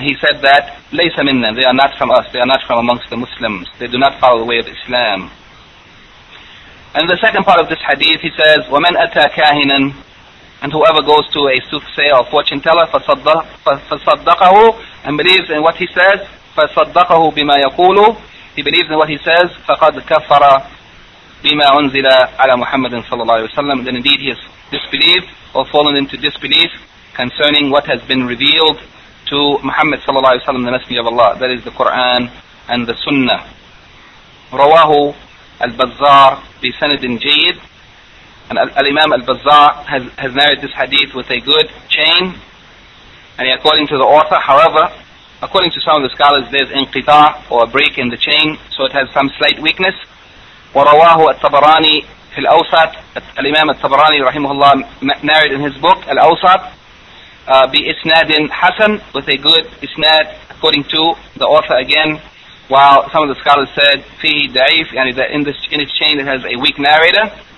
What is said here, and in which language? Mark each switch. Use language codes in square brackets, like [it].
[en] He said that, [ar] لَيْسَ مِنَّا. [en] They are not from us, they are not from amongst the Muslims. They do not follow the way of Islam. And the second part of this hadith, he says, [ar] وَمَنْ أَتَى كَاهِنًا. [en] And whoever goes to a soothsayer or fortune teller, [ar] فَصَدَّقَهُ, [en] and believes in what he says, [ar] فَصَدَّقَهُ بِمَا يَقُولُ. [en] He believes in what he says, [ar] فَقَدْ كَفَّرَ بِمَا أُنزِلَ عَلَى مُحَمَّدٍ صَلَى اللَّهِ وَسَلَّمَ. [en] Then indeed he has disbelieved or fallen into disbelief concerning what has been revealed to Muhammad [ar] صلى الله عليه وسلم, [en] the Messenger of Allah, that is the Quran and the Sunnah. [ar] رواه البزار بسند جيد. [en] And Al-Imam Al-Bazzar has narrated this hadith with a good chain. And according to the author, however, according to some of the scholars, there's inqita or a break in the chain, so it has some slight weakness. [ar] ورواه التبراني في الأوسط. الإمام التبراني رحمه الله [en] narrated in his book [ar] الأوسط بإسناد حسن, [en] with a good [ar] إسناد, according to the author again. [en] While some of the scholars said [ar] في ضعيف, يعني [en] that in this chain it has a weak narrator.